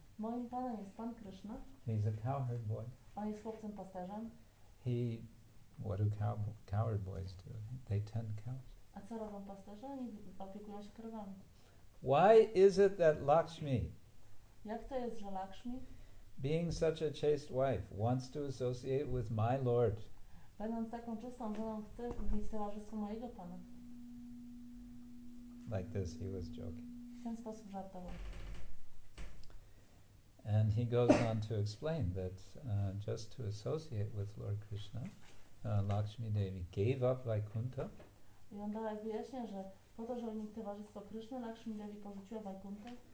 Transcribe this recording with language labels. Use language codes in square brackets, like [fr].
[pl] Moim panem jest Pan Krishna. [en] He's a cowherd boy. [pl] On jest chłopcem pasterzem. [en] What do cowherd boys do? They tend cows. [pl] A co robią pasterze? Oni opiekują się krowami. [en] Why is it that Lakshmi? [pl] Jak to jest, że Lakshmi? [en] Being such a chaste wife, wants to associate with my lord. [pl] Będąc taką czystą żoną, chcę mieć towarzystwo mojego pana. [en] Like this, he was joking. [pl] W ten sposób żartował. [en] And he goes on to explain that just to associate with Lord Krishna, Lakshmi Devi gave up Vaikuntha. I on dalej wyjaśnia, że po to, żeby mieć towarzystwo Krishna, Lakshmi Devi porzuciła Vaikuntha.